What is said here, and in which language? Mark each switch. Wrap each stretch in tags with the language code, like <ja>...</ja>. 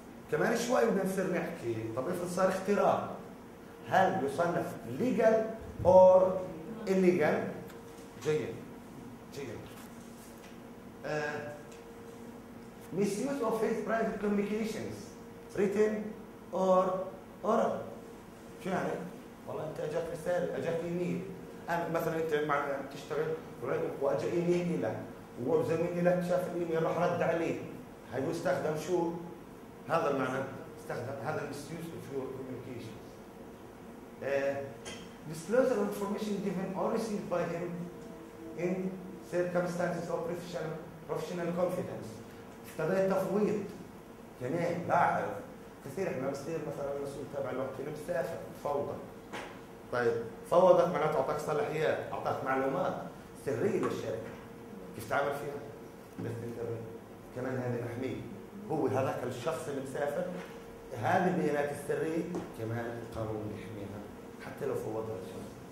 <ar>كمان شوي بدنا نصير نحكي. طب افرض صار اختراق، هل يصنف</ar> <en>Legal or الليجل؟</en> <ar>جيد جيد.</ar> <en>misuse of his private communications written or oral.</en> <ar>شو يعني؟ والله انت اجاك رسالة، اجاك ايميل، انا مثلا انت مع تشتغل واجا ايميل لك وزميلي لك شاف الايميل راح رد عليه، هل يستخدم شو؟ هذا المعنى استخدم هذا</ar> <en>misuse of your communications. disclose the information given or received by him in circumstances of professional confidence.</en> <ar>ابتديت تفويض يعني لاحظ كثير احنا بصير مثلا المسؤول تبع الوقت في مسافر فوضى. طيب فوضت معناته اعطاك صلاحيات، اعطاك معلومات سريه للشركه كيف تعمل فيها؟ بس انت كمان هذا محمي، هو هذاك الشخص اللي مسافر هذه البيانات السريه كمان القانون يحميها حتى لو فوضها الشخص.</ar>